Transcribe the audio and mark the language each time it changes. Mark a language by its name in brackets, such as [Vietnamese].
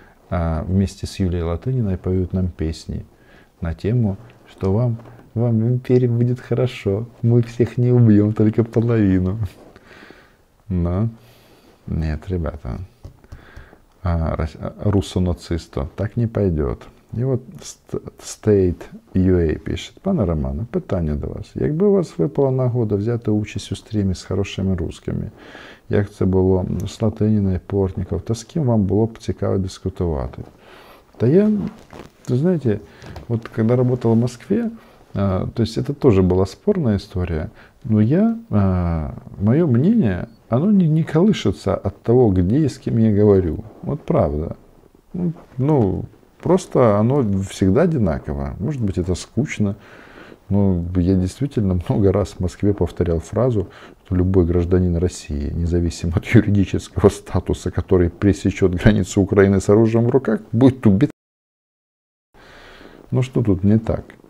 [Russian] А вместе с Юлией Латыниной поют нам песни на тему, что вам в империи будет хорошо, мы всех не убьем, только половину. Но нет, ребята, руссо-нацисто так не пойдет. И вот State.ua пишет. [Ukrainian] Пане Романе, питання до вас. Якби у вас випала нагода взяти участь у стрімі з хорошими русскими, як це було з Латиніна і Портніков, то з ким вам було б цікаво дискутувати? Та я, ви знаєте, от коли працював у Москві, [Russian] то есть это тоже была спорная история, но я, мое мнение, оно не колышется от того, где и с кем я говорю. Вот правда. Ну, просто оно всегда одинаково. Может быть, это скучно, но я действительно много раз в Москве повторял фразу, что любой гражданин России, независимо от юридического статуса, который пересечет границу Украины с оружием в руках, будет убит. Ну что тут не так?